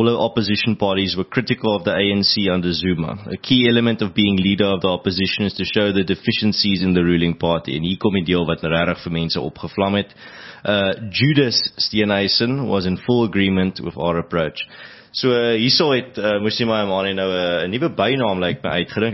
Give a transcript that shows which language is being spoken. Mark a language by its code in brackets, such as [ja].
[en] All the opposition parties were critical of the ANC under Zuma. A key element of being leader of the opposition is to show the deficiencies in the ruling party. [af] En hier kom die deel wat regtig vir mense opgevlam het. [en] Judas Steenhuisen was in full agreement with our approach. [af] So hierso het Musi Maimane nou 'n nuwe bynaam lyk my uitgedink.